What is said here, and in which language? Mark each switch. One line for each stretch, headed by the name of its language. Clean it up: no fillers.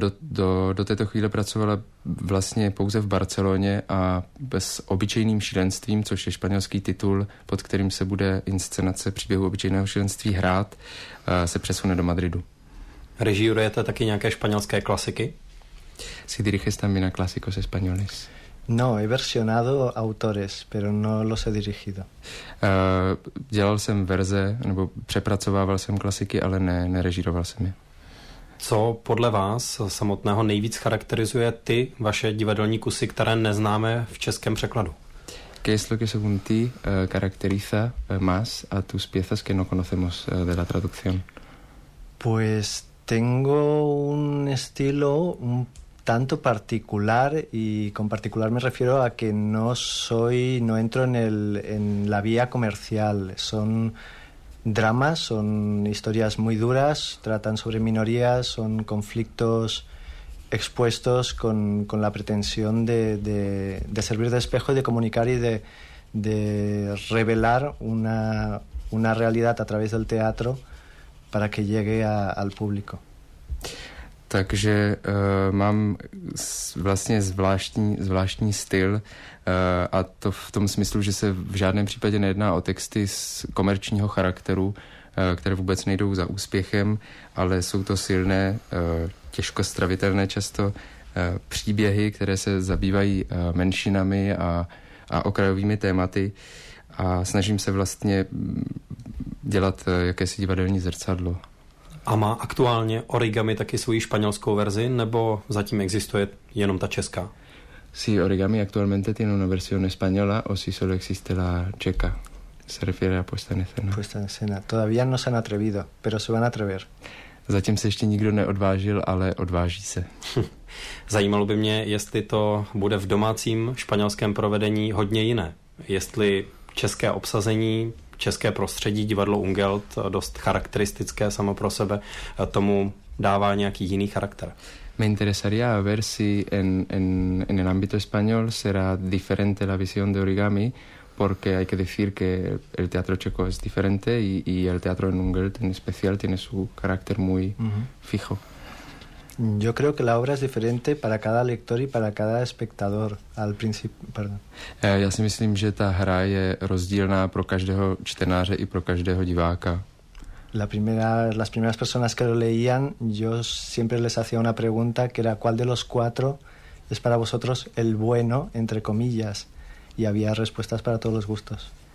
Czech: Do této chvíle pracovala vlastně pouze v Barceloně a s Obyčejným šílenstvím, což je španělský titul, pod kterým se bude inscenace příběhu Obyčejného šílenství hrát, se přesune do Madridu. Režírujete taky nějaké španělské klasiky?
Spanish: Si diriges también a clásicos españoles. No, he versionado autores, pero no los he dirigido.
Czech: Dělal jsem verze, nebo přepracovával jsem klasiky, ale nerežíroval jsem je. Co podle vás samotného nejvíc charakterizuje ty vaše divadelní kusy, které neznáme v českém překladu?
Spanish: ¿Qué es lo que según ti caracteriza más a tus piezas que no conocemos de la traducción? Pues tengo un estilo un tanto particular, y con particular me refiero a que no entro en la vía comercial. Son dramas, son historias muy duras, tratan sobre minorías, son conflictos expuestos con la pretensión de servir de espejo y de comunicar y de revelar una realidad a través del teatro para que llegue al público.
Czech: Takže mám vlastně zvláštní styl, a to v tom smyslu, že se v žádném případě nejedná o texty z komerčního charakteru, které vůbec nejdou za úspěchem, ale jsou to silné, těžko stravitelné často příběhy, které se zabývají menšinami a okrajovými tématy, a snažím se vlastně dělat jakési divadelní zrcadlo. A má aktuálně Origami taky svoji španělskou verzi, nebo zatím existuje jenom ta česká?
Spanish: Sí, Origami actualmente tiene una versión española, o si solo existe la checa. Se refiere a puesta en escena. Puesta en escena. Todavía no se han atrevido, pero se van a atrever.
Czech: Zatím se ještě nikdo neodvážil, ale odváží se. Zajímalo by mě, jestli to bude v domácím španělském provedení hodně jiné. Jestli české obsazení, české prostředí, divadlo Ungeld, dost charakteristické samo pro sebe, tomu dává nějaký jiný charakter.
Spanish: Me interesaría ver si en el ámbito español será diferente la visión de Origami, porque hay que decir que el teatro checo es diferente y el teatro en Ungeld en especial tiene su carácter muy fijo. Yo creo que la obra es diferente para cada lector y para cada espectador. Al principio, perdón.
Czech: Ya si myslím, že ta hra je rozdílná pro každého čtenáře i pro každého diváka.
Spanish: Las primeras personas que lo leían, yo siempre les hacía una pregunta, que era ¿cuál de los cuatro es para vosotros el bueno, entre comillas? Y había respuestas para todos los gustos.